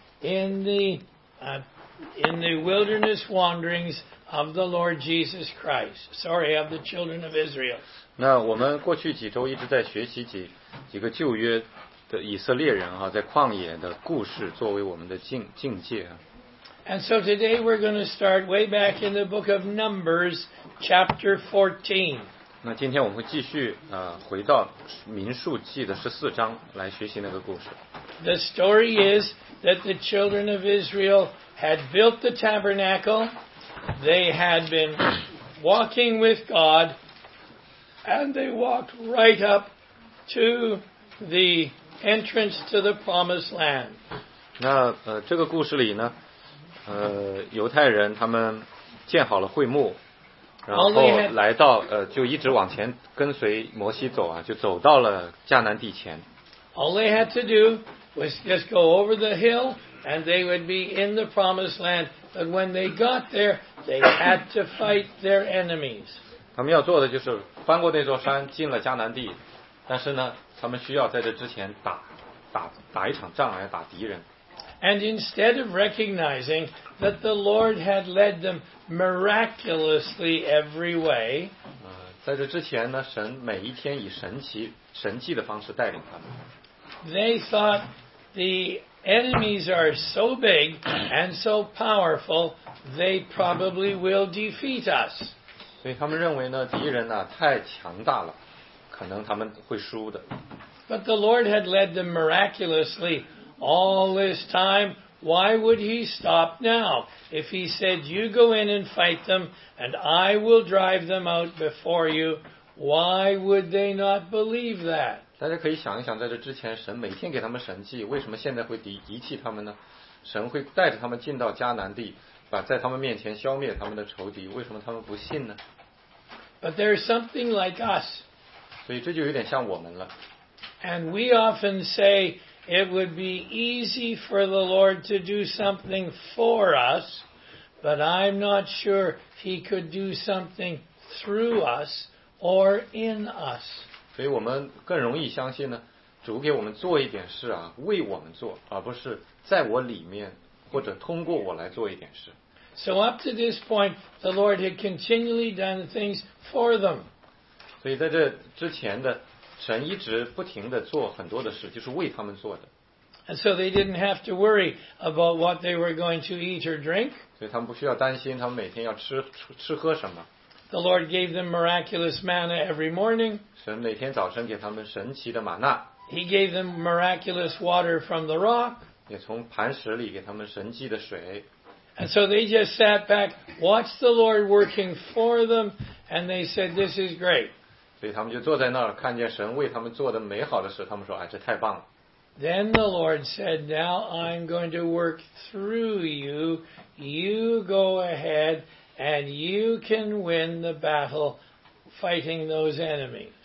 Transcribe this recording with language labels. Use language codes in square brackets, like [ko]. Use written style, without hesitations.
[en] in the wilderness wanderings of the Lord Jesus Christ. Sorry, of the children of Israel. [zh] 那我们过去几周一直在学习几个旧约的以色列人啊，在旷野的故事作为我们的境界啊。 [en] And so today we're going to start way back in the book of Numbers, chapter 14. [zh] 那今天我们会继续回到民数记的14章来学习那个故事。 [en] The story is that the children of Israel had built the tabernacle, they had been walking with God, and they walked right up to the entrance to the promised land. [zh] 那这个故事里呢犹太人他们建好了会幕然后来到就一直往前跟随摩西走啊就走到了迦南地前 [en] All they had to do was just go over the hill and they would be in the promised land but when they got there they had to fight their enemies [zh] 他们要做的就是翻过那座山进了迦南地但是呢他们需要在这之前打一场仗来打敌人 [en] And instead of recognizing that the Lord had led them miraculously every way, [zh] 在这之前呢，神每一天以神迹的方式带领他们。 [en] They thought the enemies are so big and so powerful, they probably will defeat us. [zh] 所以他们认为呢，敌人呢太强大了，可能他们会输的。 [en] But the Lord had led them miraculously. All this time, why would he stop now? If he said, you go in and fight them, and I will drive them out before you, why would they not believe that? [zh] 大家可以想一想，在这之前，神每天给他们神迹，为什么现在会遗弃他们呢？神会带着他们进到迦南地，把在他们面前消灭他们的仇敌，为什么他们不信呢？ [en] But there is something like us. [zh] 所以这就有点像我们了。 [en] And we often say,It would be easy for the Lord to do something for us, but I'm not sure he could do something through us or in us. [zh] 所以我们更容易相信呢，主给我们做一点事啊，为我们做，而不是在我里面或者通过我来做一点事。 [en] So up to this point, the Lord had continually done things for them. [zh] 所以在这之前的神一直不停地做很多的事，就是为他们做的。 [en] And so they didn't have to worry about what they were going to eat or drink. [zh] 所以他们不需要担心他们每天要吃喝什么。 [en] The Lord gave them miraculous manna every morning. [zh] 神每天早晨给他们神奇的玛纳。 [en] He gave them miraculous water from the rock. [zh] 也从磐石里给他们神迹的水。 [en] And so they just sat back, watched the Lord working for them, and they said, "This is great." [zh] 所以他们就坐在那儿，看见神为他们做的美好的事，他们说：“哎，这太棒了。” [en] Then the Lord said, "Now I'm going to work through you. You go ahead, and you can win the battle fighting those enemies."